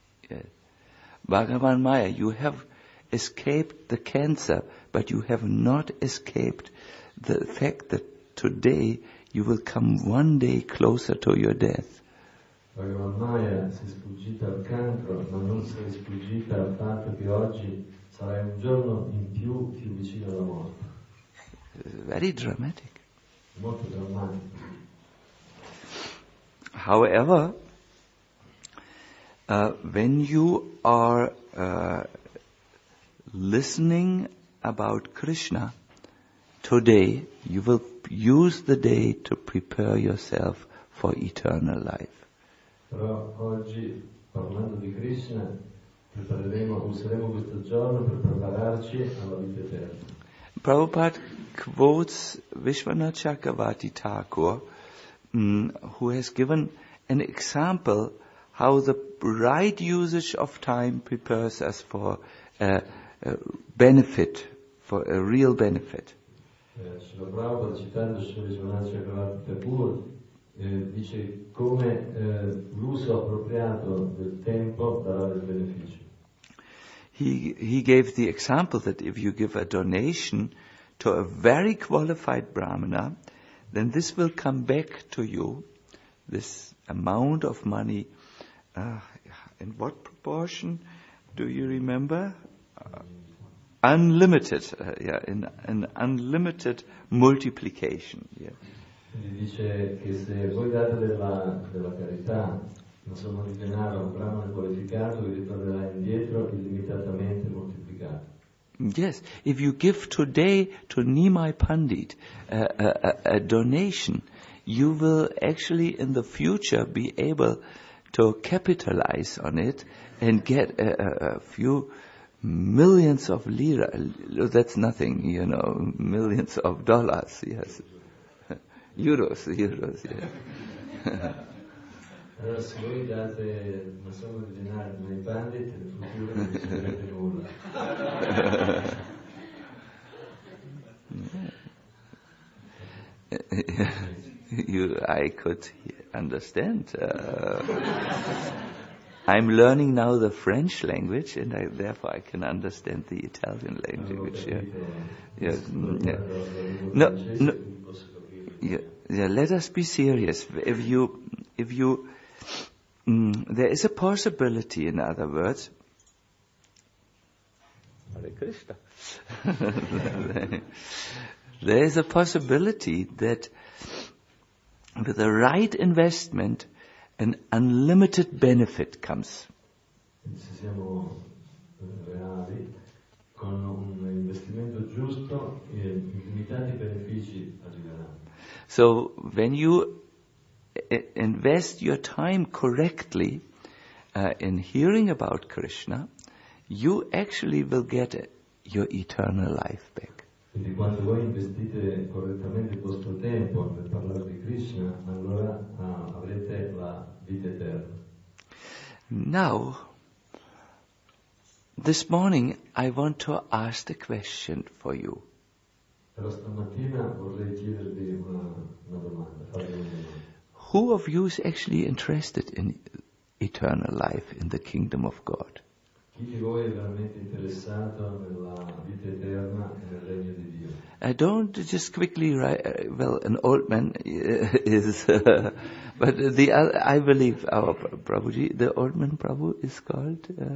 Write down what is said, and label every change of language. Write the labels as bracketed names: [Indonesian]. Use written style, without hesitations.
[English] Yes. Bhagavan Maya, you have escaped the cancer, but you have not escaped the fact that today you will come one day closer to your death. [Italian] Bhagavan Maya, si è sfuggita al cancro, ma non si è sfuggita al fatto che oggi sarai un giorno in più più vicino alla morte. [English] Very dramatic. [Italian] Molto drammatico. [English] However, when you are listening about Krishna today, you will use the day to prepare yourself for eternal life. [Italian] Però oggi, parlando di Krishna, useremo questo giorno per prepararci alla vita eterna. [English] Prabhupada quotes Vishwanath Chakravarti Thakur, who has given an example how the right usage of time prepares us for a real benefit. [Italian] Srila Prabhupada, citando Srila Vishwanath Chakravarti Thakur, dice come l'uso appropriato del tempo darà del beneficio. [English] He gave the example that if you give a donation to a very qualified brahmana, then this will come back to you, this amount of money, in what proportion do you remember? Unlimited, in unlimited multiplication. Yeah. [Italian] Gli dice che se voi date della carità, una somma di denaro a un brahmana qualificato, vi ritornerà indietro illimitatamente moltiplicato. [English] Yes, if you give today to Nimai Pandit a donation, you will actually in the future be able to capitalize on it and get a few millions of lira. That's nothing, you know, millions of dollars, yes. Euros, yeah. [Italian] Allora, se voi date una somma di denaro ai bandit, nel futuro non ci sarete nulla. [English] I could understand. I'm learning now the French language, and therefore I can understand the Italian language. Yeah, let us be serious. There is a possibility, in other words. Hare Krishna. There is a possibility that with the right investment, an unlimited benefit comes. [Italian] Se siamo reali, con un investimento giusto, illimitati benefici arriveranno. [English] So when you invest your time correctly in hearing about Krishna, you actually will get your eternal life back. [Italian] Quindi quando voi investite correttamente il vostro tempo per parlare di Krishna, allora avrete la vita eterna. [English] Now, this morning I want to ask a question for you. [Italian] Però stamattina vorrei chiedervi una domanda. [English] Who of you is actually interested in eternal life in the kingdom of God? [Italian] Chi di voi è veramente interessato nella vita eterna nel regno di Dio? [English] I don't just quickly write, well, an old man is, but the I believe our Prabhuji, the old man Prabhu is called?